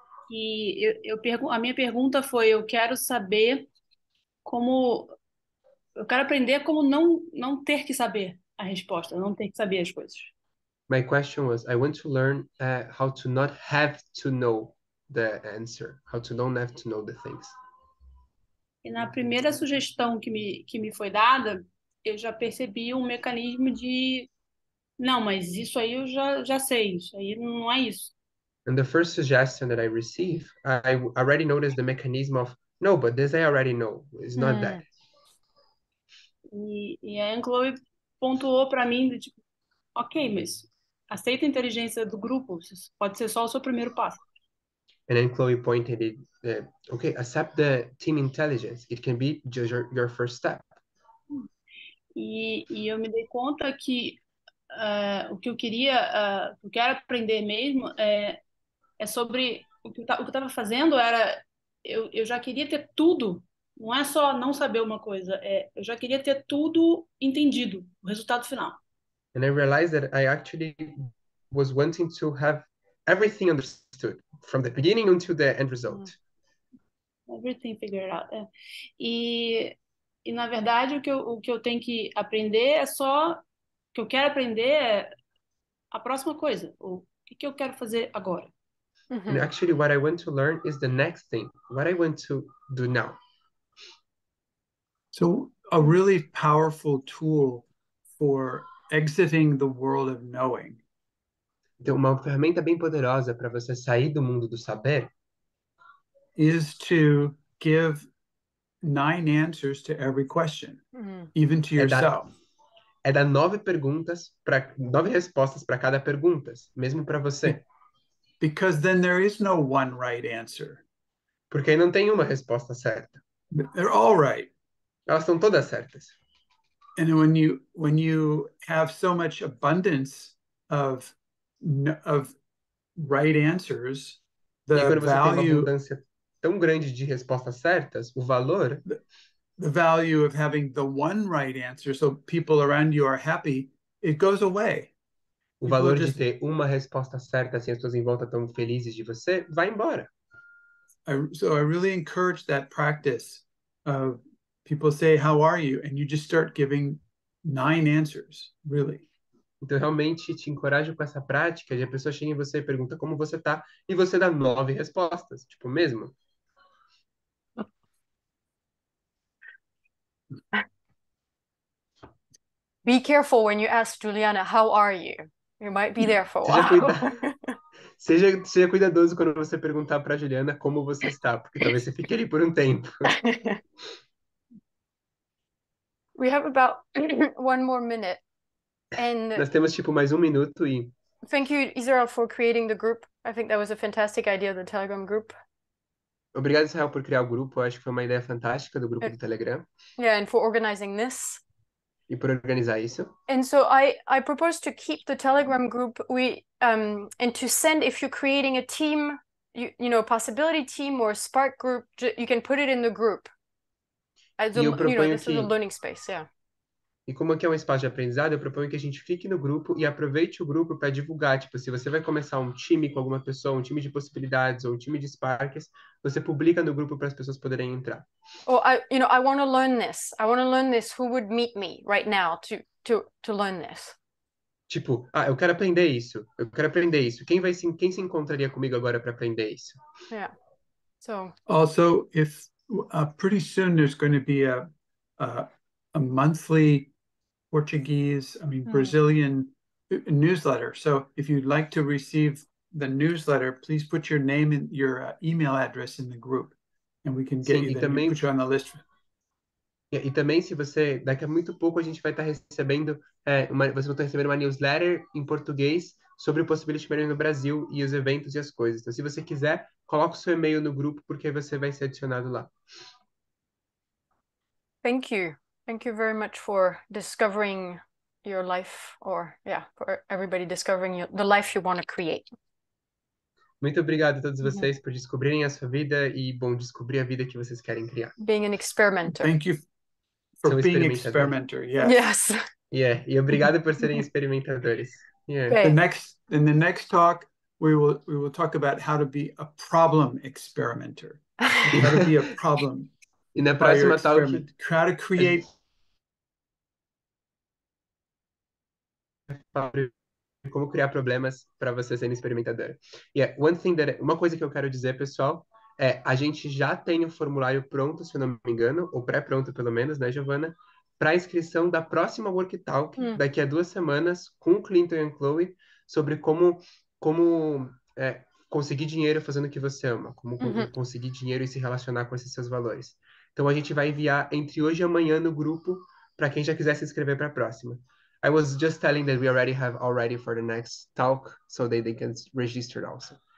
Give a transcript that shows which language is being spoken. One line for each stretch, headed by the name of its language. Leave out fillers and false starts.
Portuguese: E a minha pergunta foi, eu quero saber como... Eu quero aprender como não ter que saber a resposta, não ter que saber as coisas.
English: My question was, I want to learn how to not have to know the answer, how to not have to know the things.
Portuguese: E na primeira sugestão que me foi dada, eu já percebi um mecanismo de, não, mas isso aí eu já sei, isso aí não é isso.
English: And the first suggestion that I received, I already noticed the mechanism of, no, but this I already know, it's not that.
Portuguese: E a Anne Chloe pontuou para mim, de, tipo, ok, mas aceita a inteligência do grupo, pode ser só o seu primeiro passo.
English: And then Chloe pointed it, okay, accept the team intelligence. It can be just your first step.
Portuguese: E eu me dei conta que o que eu queria, o que eu quero aprender mesmo é sobre o que eu tava fazendo era, eu já queria ter tudo, não é só não saber uma coisa, eu já queria ter tudo entendido, o resultado final.
English: And I realized that I actually was wanting to have everything understood. From the beginning until the end result. Everything figured out.
Portuguese: E na verdade, o que eu tenho que aprender é só... O que eu quero aprender é a próxima coisa. O que eu quero fazer agora.
English: And actually, what I want to learn is the next thing. What I want to do now. So, a really powerful tool for exiting the world of knowing.
Portuguese: Então, uma ferramenta bem poderosa para você sair do mundo do saber
English: is to give 9 answers to every question, even to yourself.
Portuguese: É dar 9 perguntas para 9 respostas para cada pergunta, mesmo para você.
English: Because then there is no one right answer.
Portuguese: Porque aí não tem uma resposta certa.
English: They're all right.
Portuguese: Elas estão todas certas.
English: And when you have so much abundance of right answers, the
Portuguese: abundância tão grande de respostas certas, o valor,
English: the value of having the one right answer so people around you are happy, it goes away.
Portuguese: O valor de ter uma resposta certa, assim as pessoas em volta estão felizes de você, vai embora.
English: So I really encourage that practice of people say how are you and you just start giving 9 answers, really.
Portuguese: Então, realmente, te encorajo com essa prática de a pessoa chega em você e pergunta como você tá e você dá 9 respostas. Tipo, mesmo?
English: Be careful when you ask Juliana, how are you? You might be there for a while.
Portuguese: Seja cuidadoso quando você perguntar pra Juliana como você está, porque talvez você fique ali por um tempo.
English: We have about one more minute.
Portuguese: Nós temos tipo mais um minuto e...
English: Thank you, Israel, for creating the group. I think that was a fantastic idea, the Telegram group.
Portuguese: Obrigado, Israel, por criar o grupo. Eu acho que foi uma ideia fantástica do grupo do Telegram.
English: Yeah, and for organizing this.
Portuguese: E por organizar isso.
English: And so I propose to keep the Telegram group. And to send, if you're creating a team, you know, a possibility team or a spark group, you can put it in the group. This is a learning space, yeah.
Portuguese: E como aqui é um espaço de aprendizado, eu proponho que a gente fique no grupo e aproveite o grupo para divulgar. Tipo, se você vai começar um time com alguma pessoa, um time de possibilidades ou um time de Sparks, você publica no grupo para as pessoas poderem entrar.
English: Oh, I want to learn this. I want to learn this. Who would meet me right now to learn this?
Portuguese: Tipo, ah, eu quero aprender isso. Eu quero aprender isso. Quem se encontraria comigo agora para aprender isso?
English: Yeah. So. Also, if pretty soon there's going to be a monthly Portuguese, Brazilian, newsletter. So if you'd like to receive the newsletter, please put your name and your email address in the group, and we can get
Portuguese: Sim,
English: you,
Portuguese: também,
English: put you on the list.
Portuguese: E também, se você, daqui a muito pouco, a gente vai estar recebendo, você vai estar recebendo uma newsletter em português sobre o Possibility Mentoring no Brasil e os eventos e as coisas. Então, se você quiser, coloque o seu e-mail no grupo, porque você vai ser adicionado lá.
English: Thank you. Thank you very much for discovering your life, or, yeah, for everybody discovering you, the life you want to create.
Portuguese: Muito obrigado a todos vocês por descobrirem a sua vida e, bom, descobrir a vida que vocês querem criar.
English: Being an experimenter. Thank you for being an experimenter, yes.
Portuguese: Yes. Yeah, e obrigado por serem experimentadores. Yeah.
English: Okay. In the next talk, we will talk about how to be a problem experimenter. How to be a problem.
Portuguese: E na próxima talk...
English: How to create...
Portuguese: Como criar problemas para você ser experimentador.
English: Yeah, one thing that,
Portuguese: uma coisa que eu quero dizer, pessoal, é a gente já tem o formulário pronto, se eu não me engano, ou pré-pronto, pelo menos, né, Giovana, para a inscrição da próxima Work Talk, daqui a 2 semanas, com o Clinton e Chloe, sobre como conseguir dinheiro fazendo o que você ama, como conseguir dinheiro e se relacionar com esses seus valores. Então, a gente vai enviar entre hoje e amanhã no grupo para quem já quiser se inscrever para a próxima.
English: I was just telling that we already have already for the next talk, so that they can register also.